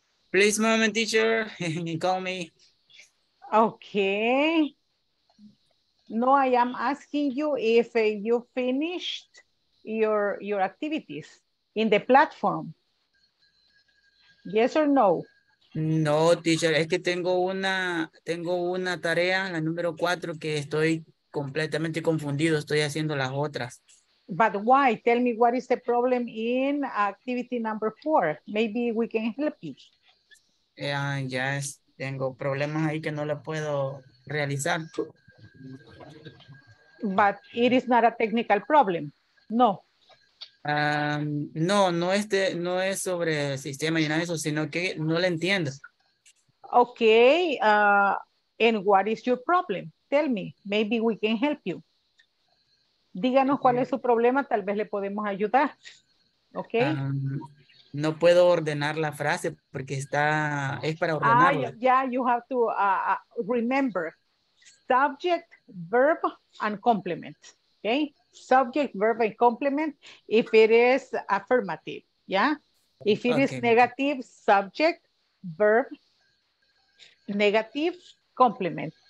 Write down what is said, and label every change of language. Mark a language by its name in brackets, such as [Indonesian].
[English] Please, moment, teacher, call me. Okay. No, I am asking you if you finished your activities in the platform. Yes or no? [Spanish] No, teacher, es que tengo una tarea, la número 4, que estoy completamente confundido, estoy haciendo las otras. [English] But why? Tell me what is the problem in activity number 4. Maybe we can help you. [Spanish] Yes, tengo problemas ahí que no lo puedo realizar. [English] But it is not a technical problem. No. [Spanish] No es sobre el sistema y nada de eso, sino que no lo entiendo. [English] Okay, and what is your problem? Tell me, maybe we can help you. [Spanish] Díganos cuál es su problema, tal vez le podemos ayudar. [English] Okay. [Spanish] No puedo ordenar la frase porque está, es para ordenarla. [English] Yeah, you have to remember subject, verb, and complement. Okay, subject, verb, and complement if it is affirmative. Yeah, if it is negative, subject, verb, negative, complement.